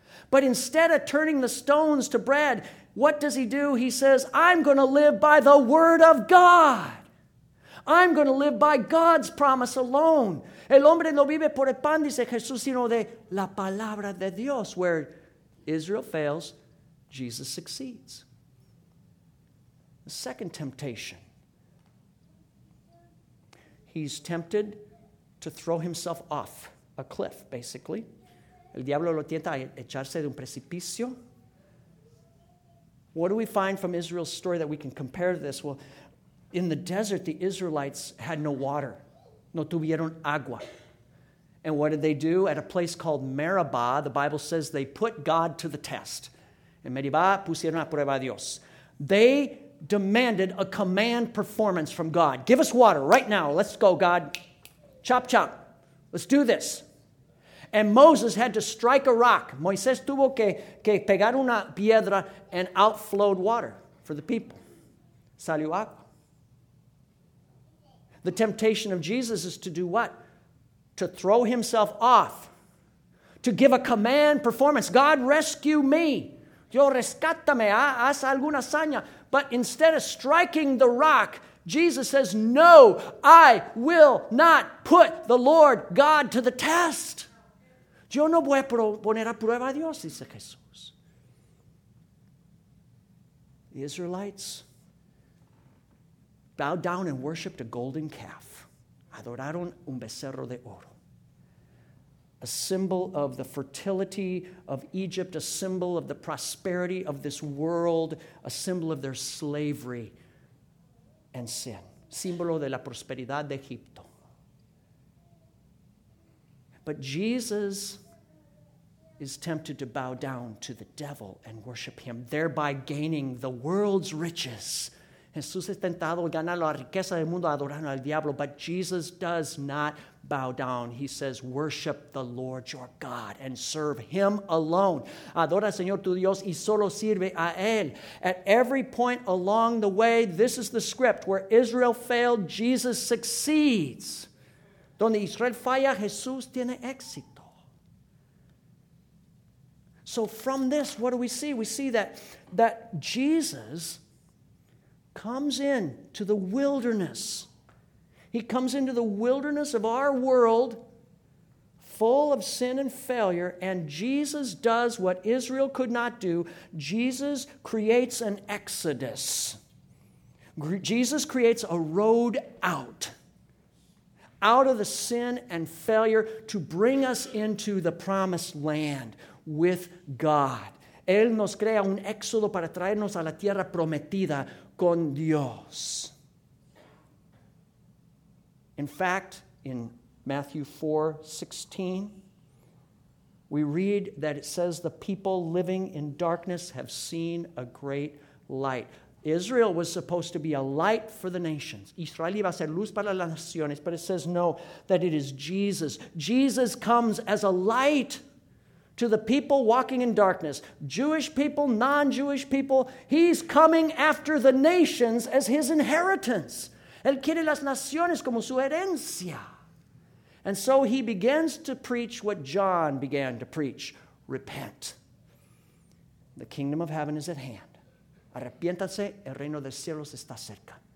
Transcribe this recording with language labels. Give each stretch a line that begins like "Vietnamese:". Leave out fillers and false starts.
English: But instead of turning the stones to bread, what does he do? He says, I'm going to live by the word of God. I'm going to live by God's promise alone.
Spanish: El hombre no vive por el pan, dice Jesús, sino de la palabra de Dios.
English: Where Israel fails, Jesus succeeds. The second temptation. He's tempted to throw himself off a cliff, basically.
Spanish: El diablo lo tienta a echarse de un precipicio.
English: What do we find from Israel's story that we can compare to this? Well, in the desert, the Israelites had no water.
Spanish: No tuvieron agua.
English: And what did they do? At a place called Meribah, the Bible says they put God to the test.
Spanish: En Meribah pusieron a prueba a Dios.
English: They demanded a command performance from God. Give us water right now. Let's go, God. Chop, chop. Let's do this. And Moses had to strike a rock.
Spanish: Moisés tuvo que pegar una piedra
English: and outflowed water for the people.
Spanish: Salió agua.
English: The temptation of Jesus is to do what? To throw himself off. To give a command performance. God, rescue me.
Spanish: Yo rescátame, haz alguna hazaña.
English: But instead of striking the rock, Jesus says, no, I will not put the Lord God to the test.
Spanish: Yo no voy a poner a prueba a Dios, dice Jesús.
English: The Israelites bowed down and worshipped a golden calf.
Spanish: Adoraron un becerro de oro.
English: A symbol of the fertility of Egypt, a symbol of the prosperity of this world, a symbol of their slavery and sin.
Spanish: Símbolo de la prosperidad de Egipto.
English: But Jesus is tempted to bow down to the devil and worship him, thereby gaining the world's riches.
Spanish: Jesús es tentado a ganar la riqueza del mundo adorando al diablo,
English: but Jesus does not bow down. He says, worship the Lord your God and serve him alone.
Spanish: Adora al Señor tu Dios y solo sirve a él.
English: At every point along the way, this is the script. Where Israel failed, Jesus succeeds.
Spanish: Donde Israel falla, Jesús tiene éxito.
English: So from this, what do we see? We see that Jesus comes in to the wilderness. He comes into the wilderness of our world full of sin and failure, and Jesus does what Israel could not do. Jesus creates an exodus. Jesus creates a road out of the sin and failure to bring us into the promised land with God.
Spanish: Él nos crea un éxodo para traernos a la tierra prometida con Dios.
English: In fact, in Matthew 4:16, we read that it says the people living in darkness have seen a great light. Israel was supposed to be a light for the nations.
Spanish: Israel iba a ser luz para las naciones,
English: but it says no, that it is Jesus. Jesus comes as a light to the people walking in darkness, Jewish people, non-Jewish people. He's coming after the nations as his inheritance.
Spanish: Él quiere las naciones como su herencia.
English: And so he begins to preach what John began to preach. Repent. The kingdom of heaven is at hand.
Spanish: Arrepiéntase, el reino de los cielos está cerca.